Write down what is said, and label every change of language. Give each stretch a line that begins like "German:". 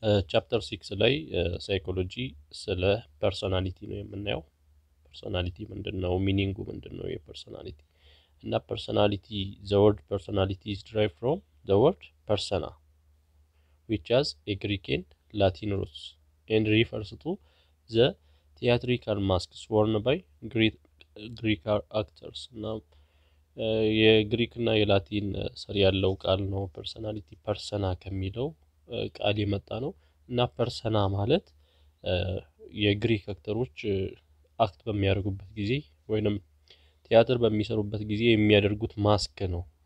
Amharic: ቻፕተር 6 ላይ ሳይኮሎጂ ስለ ፐርሶናሊቲ ነው የምናየው። ፐርሶናሊቲ ምንድነው? ሚኒንጉ ምንድነው? የፐርሶናሊቲ እና ፐርሶናሊቲ
English: ዘ ወርድ ፐርሶናሊቲ ኢዝ ድራይቭ ፍሮም ዘ ወርድ ፐርሰና which has a Greek and Latin roots and refers to the theatrical masks worn by Greek actors.
Amharic: Now, የግሪክ እና የላቲን ስር ያለው ቃል ነው ፐርሶናሊቲ ፐርሰና ከሚለው ቃል የመጣ ነው እና ፐርሰና ማለት የግሪክ አክተሮች አክት በሚያደርጉበት ጊዜ ወይንም ቲያትር በሚሰሩበት ጊዜ የሚያደርጉት ማስክ ነው